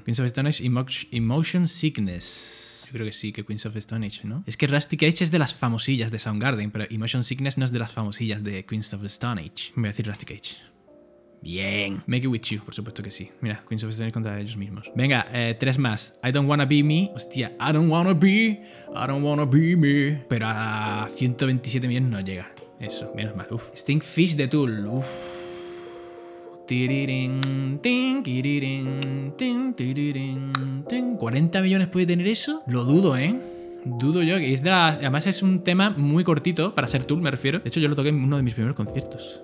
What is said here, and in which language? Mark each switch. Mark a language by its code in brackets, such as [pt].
[en] Queens of Stone Age, Emotion Sickness. [es] Creo que sí, que Queens of Stone Age, ¿no? Es que Rusty Cage es de las famosillas de Soundgarden, pero Emotion Sickness no es de las famosillas de Queens of Stone Age. Voy a decir Rusty Cage. Bien. Make it with you, por supuesto que sí. Mira, Queens of Stone Age contra ellos mismos. Venga, tres más. [en] I don't wanna be me. Hostia, I don't wanna be me. [es] Pero a 127 millones no llega. Eso, menos mal. Uf. Stinkfish de Tool. Uf. Tiririn, tin, tiririn, tin, tiririn, tin. 40 millones puede tener eso. Lo dudo, Dudo yo. Que es de la... Además, es un tema muy cortito para ser Tool, me refiero. De hecho, yo lo toqué en uno de mis primeros conciertos.